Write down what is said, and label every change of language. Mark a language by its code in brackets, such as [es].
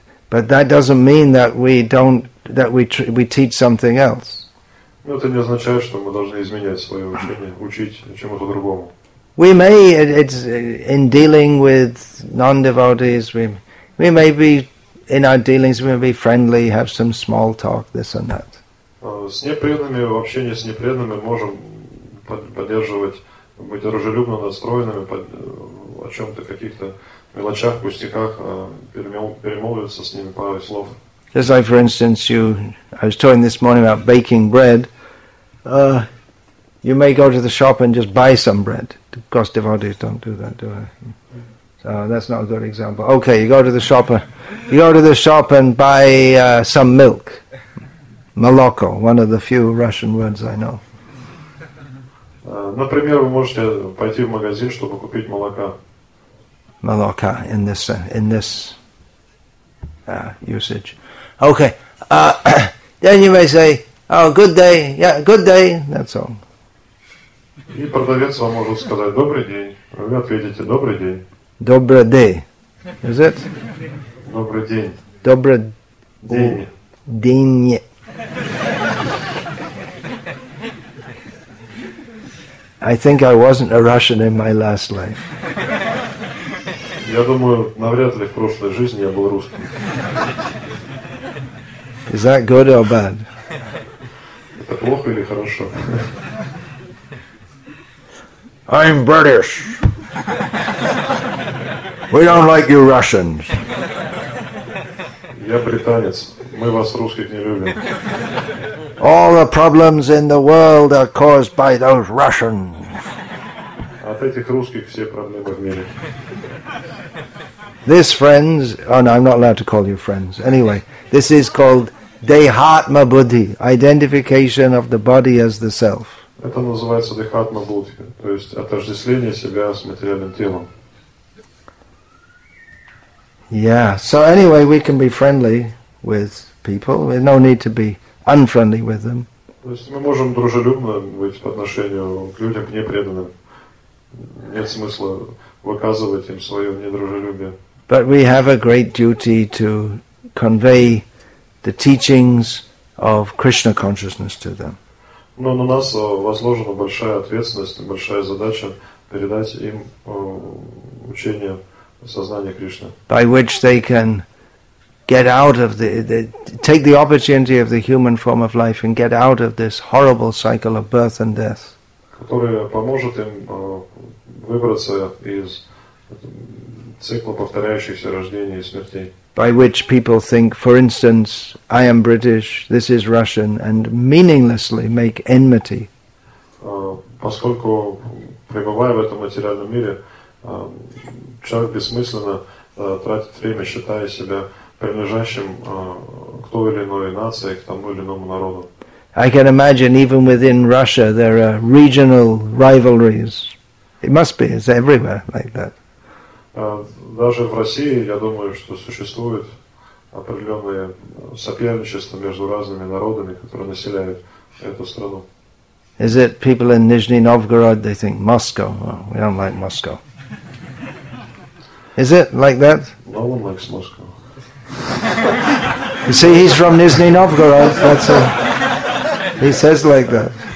[en] But that doesn't mean that we teach something else. [ru] Но это не означает, что мы должны изменять свое учение, учить чему-то другому. [en] We may, it's in dealing with non-devotees, we may be, in our dealings, we may be friendly, have some small talk, this and that. [ru] С непреданными, в общении с непреданными, можем поддерживать, быть дружелюбно настроенными, о чем-то, каких-то мелочах, пустяках, перемолвиться с ними пару слов. [en] Just like, for instance, I was talking this morning about baking bread. You may go to the shop and just buy some bread. Of course, devotees don't do that, do they? So that's not a good example. Okay, you go to the shop and buy some milk. Moloko, one of the few Russian words I know. [ru] Например, вы можете пойти в магазин, чтобы купить молока. Молока [en] in this usage. Okay. Then you may say, "Oh, good day. Yeah, good day." That's all. [ru] И продавец вам может сказать добрый день. Вы ответите добрый день. Добрый день. [en] Is it? [ru] Добрый день. Добрый день. День. [en] I think I wasn't a Russian in my last life. [ru] Я думаю, навряд ли в прошлой жизни я был русским. [en] Is that good or bad? [ru] Это плохо или хорошо? [en] I'm British. We don't like you Russians. [ru] Я британец. Мы вас русских не любим. [en] All the problems in the world are caused by those Russians. [ru] От этих русских все проблемы в мире. [en] This friends, oh no, I'm not allowed to call you friends. Anyway, this is called Dehatma Buddhi, identification of the body as the self. [ru] Это называется Dehatma Buddhi, то есть отождествление себя с материальным телом. [en] Yeah, so anyway, we can be friendly with people. There's no need to be unfriendly with them. [ru] То есть мы можем дружелюбно быть по отношению к людям непреданным. Нет смысла выказывать им свое недружелюбие. [en] But we have a great duty to convey the teachings of Krishna consciousness to them. [ru] Но на нас возложена большая ответственность, большая задача передать им учение сознания Кришны. [en] By which they can get out of take the opportunity of the human form of life and get out of this horrible cycle of birth and death. [ru] Которая поможет им выбраться из цикла повторяющихся рождений и смертей. [en] By which people think, for instance, I am British, this is Russian, and meaninglessly make enmity. [ru] Поскольку, пребывая в этом материальном мире, человек бессмысленно тратит время, считая себя принадлежащим к той или иной нации, к тому или иному народу. [en] I can imagine even within Russia there are regional rivalries. It must be, it's everywhere like that. [ru] Даже в России, я думаю, что существует определенное соперничество между разными народами, которые населяют эту страну. [en] Is it people in Nizhny Novgorod, they think Moscow? Oh, we don't like Moscow. Is it like that? No one likes Moscow. You see, he's from Nizhny Novgorod, that's a... He says like that.